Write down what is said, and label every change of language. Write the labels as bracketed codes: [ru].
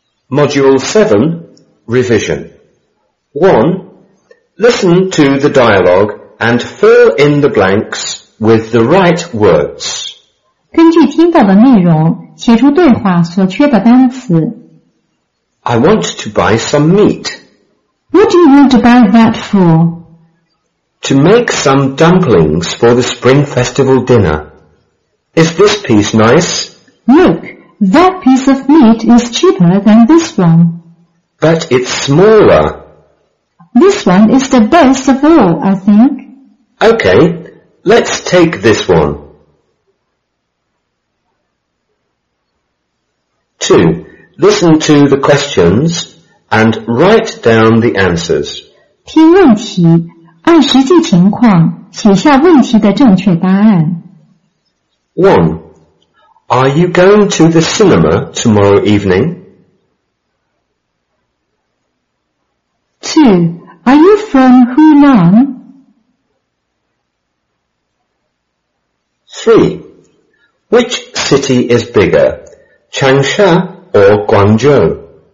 [en] Module 7, Revision. 1. Listen to the dialogue and fill in the blanks with the right words. [zh] 根据听到的内容，写出对话所缺的单词。 [en] I want to buy some meat. What do you want to buy that for? To make some dumplings for the spring festival dinner. Is this piece nice? Look, that piece of meat is cheaper than this one. But it's smaller. This one is the best of all, I think. Okay, let's take this one. 2. Listen to the questions and write down the answers. [zh] 听问题按实际情况写下问题的正确答案。 [en] 1. Are you going to the cinema tomorrow evening? 2. Are you from Hunan? 3. Which city is bigger, Changsha or Guangzhou?